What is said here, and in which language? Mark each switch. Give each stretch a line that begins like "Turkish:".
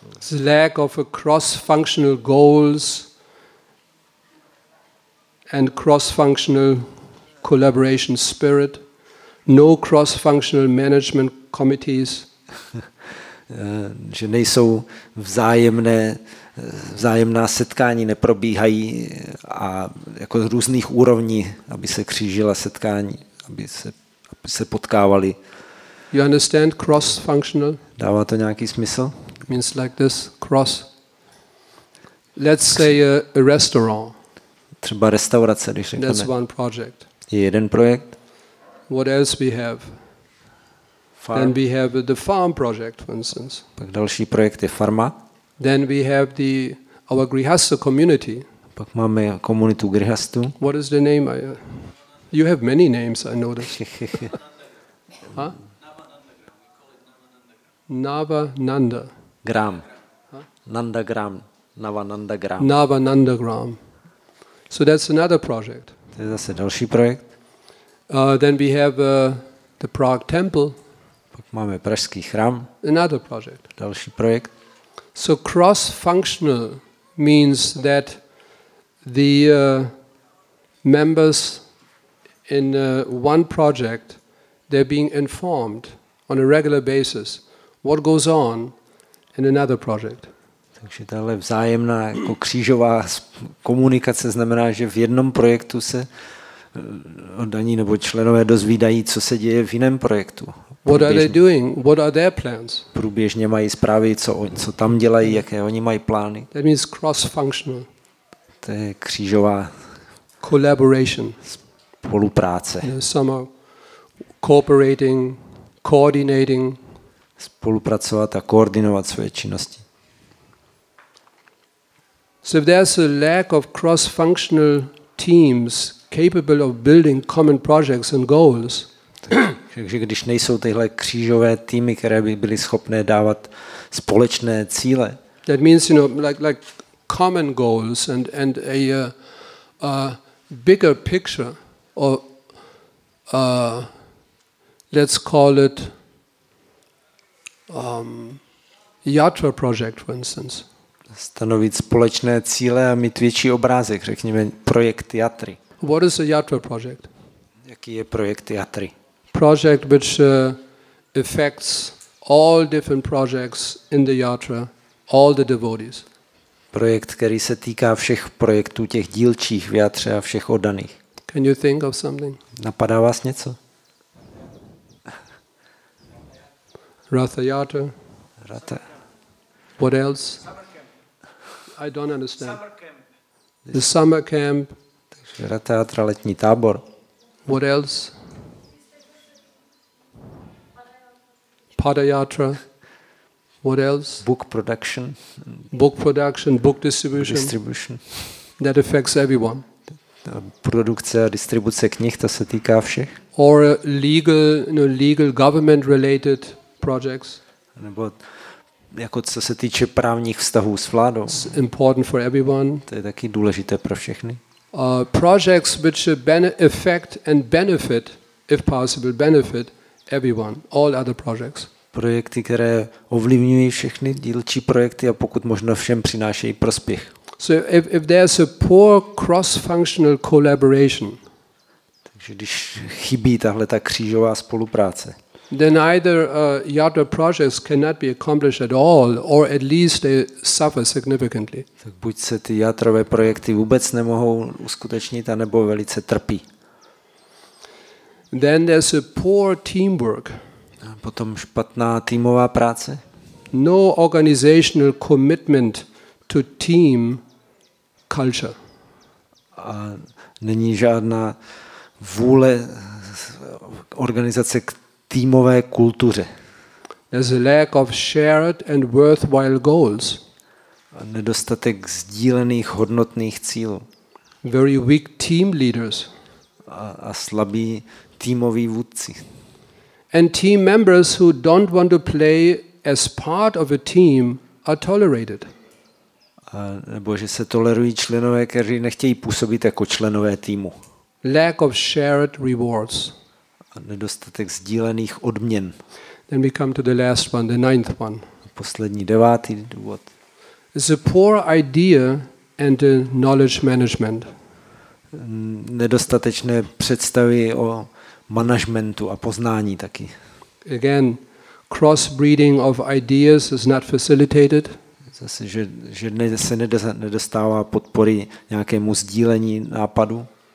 English: The lack of a cross-functional goals and cross-functional collaboration spirit, no cross-functional management committees.
Czech: Že nejsou vzájemné, vzájemná setkání neprobíhají a jako z různých úrovní, aby se křížila setkání, aby se potkávali.
English: You understand cross-functional?
Czech: Dává to nějaký smysl?
English: Means like this, cross. Let's say a restaurant.
Czech: Třeba restaurace, když řekneme.
English: That's one project.
Czech: Je jeden projekt.
English: What else we have? Farm. Then we have the farm project, for instance.
Czech: Pak další projekt je farma.
English: Then we have our grihastha community.
Czech: Pak máme komunitu grihastů.
English: What is the name? You have many names, I notice. Navananda Gram. Nanda Gram. Navananda Gram. Navananda Gram. So that's another project.
Czech: To je zase další projekt.
English: Then we have the Prague Temple.
Czech: Pak máme pražský chrám.
English: Another project.
Czech: Další projekt.
English: So cross-functional means that the members in one project they're being informed on a regular basis what goes on in another project.
Czech: Takže tahle vzájemná jako křížová komunikace znamená, že v jednom projektu se oddaní nebo členové dozvídají, co se děje v jiném projektu.
English: What are they doing? What are their plans?
Czech: Průběžně mají zprávy, co tam dělají, jaké oni mají plány.
English: That means cross-functional.
Czech: To je křížová
English: collaboration.
Czech: Spolupráce.
English: Some are cooperating, coordinating,
Czech: spolupracovat a koordinovat své činnosti.
English: So if there's a lack of cross-functional teams capable of building common projects and goals.
Czech: Takže když nejsou tyhle křížové týmy, které by byly schopné dávat společné cíle.
English: That means, you know, like common goals and a bigger picture, or let's call it Yatra project, for instance.
Czech: Stanovit společné cíle a mít větší obrázek, řekněme projekt Yatry.
English: What is a Yatra project?
Czech: Jaký je projekt Yatry?
English: Project which affects all different projects in the Yatra, all the devotees.
Czech: Projekt, který se týká všech projektů těch dílčích v Yatře a všech oddaných.
English: Can you think of something?
Czech: Napadá vás něco?
English: Ratha Yatra. Ratha. What else? I don't understand. The summer camp.
Czech: Takže Ratha Yatra, letní tábor.
English: What else? Pada Yatra. What else? Book production. Book production, book distribution. Distribution. That affects everyone.
Czech: Produkce a distribuce knih, to se týká všech.
English: Or legal, you know, legal government related projects.
Czech: Nebo jako co se týče právních vztahů s vládou.
English: It's important for everyone.
Czech: To je taky důležité pro všechny.
English: Projects which affect and benefit, if possible, benefit everyone, all other projects.
Czech: Projekty, které ovlivňují všechny dílčí projekty a pokud možno všem přinášejí prospěch.
English: So if there's a poor cross-functional collaboration.
Czech: Takže když chybí tahle ta křížová spolupráce.
English: Then either Yatra projects cannot be accomplished at all, or at least they suffer significantly.
Czech: Tak buď se ty Yatrové projekty vůbec nemohou uskutečnit, anebo velice trpí.
English: Then there's a poor teamwork.
Czech: A potom špatná týmová práce.
English: No organizational commitment to team culture.
Czech: A není žádná vůle organizace k týmové kultuře.
English: There's a lack of shared and worthwhile goals.
Czech: A nedostatek sdílených hodnotných cílů.
English: Very weak team leaders.
Czech: A slabí týmoví vůdci.
English: And team members who don't want to play as part of a team are tolerated.
Czech: A nebo že se tolerují členové, kteří nechtějí působit jako členové týmu.
English: Lack of shared rewards.
Czech: A nedostatek sdílených odměn.
English: Then we come to the last one, the ninth one.
Czech: A poslední, devátý důvod.
English: It's a poor idea and a knowledge management.
Czech: Nedostatečné představy o managementu a poznání taky.
English: Again, crossbreeding of ideas is not facilitated.
Czech: Zase, že se nedostává podpory nějakému sdílení nápadu.